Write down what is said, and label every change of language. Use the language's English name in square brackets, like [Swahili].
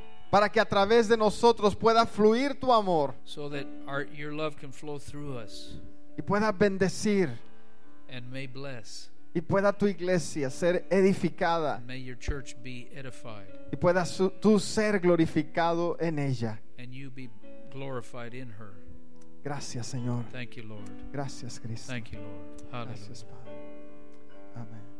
[Spanish] Para que a través de nosotros pueda fluir tu amor. [English] So that your love can flow through us. [Spanish] Y pueda bendecir. [English] And may bless. [Spanish] Y pueda tu iglesia ser edificada. [English] May your church be edified. [Spanish] Y puedas tú ser glorificado en ella. [English] And you be glorified in her. [Spanish] Gracias, Señor. [English] Thank you, Lord. [Spanish] Gracias, Cristo. [English] Thank you, Lord. Hallelujah. [Spanish] Gracias, Padre. Amén.